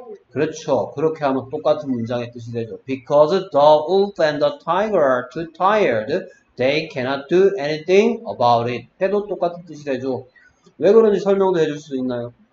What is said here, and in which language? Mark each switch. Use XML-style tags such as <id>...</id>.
<ko>그렇죠. 그렇게 하면 똑같은 문장의 뜻이 되죠.</ko> <en>Because the wolf and the tiger are too tired, they cannot do anything about it.</en> <ko>해도 똑같은 뜻이 되죠. 왜 그런지 설명도 해줄 수 있나요?</ko>